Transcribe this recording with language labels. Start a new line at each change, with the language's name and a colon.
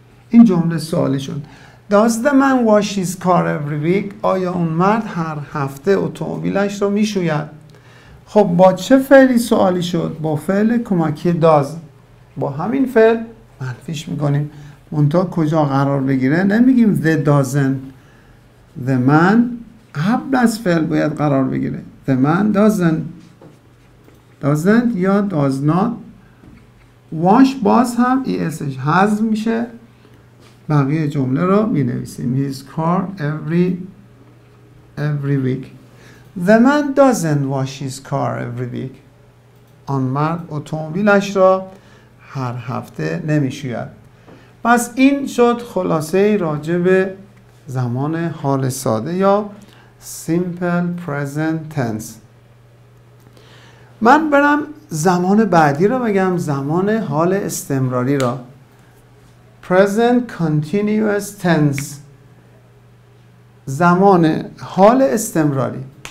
Persian: این جمله سوالی شد.
English: Does the man wash his car every week؟
Persian: آیا اون مرد هر هفته اتومبیلش رو میشوید؟ خب با چه فعلی سوالی شد؟ با فعل کمکی does. با همین فعل منفیش میکنیم. منتها کجا قرار بگیره؟ نمیگیم
English: the doesn't. The man
Persian: قبل از فعل باید قرار بگیره.
English: The man doesn't
Persian: یا
English: does not.
Persian: wash باز هم ESش حذف میشه. بقیه جمله رو می نویسیم
English: his car every week. The man doesn't wash his car every week.
Persian: آن مرد اتومبیلش را هر هفته نمی شوید. پس این شد خلاصه راجع به زمان حال ساده یا
English: simple present tense.
Persian: من برم زمان بعدی را بگم، زمان حال استمراری را،
English: present continuous tense،
Persian: زمان حال استمراری.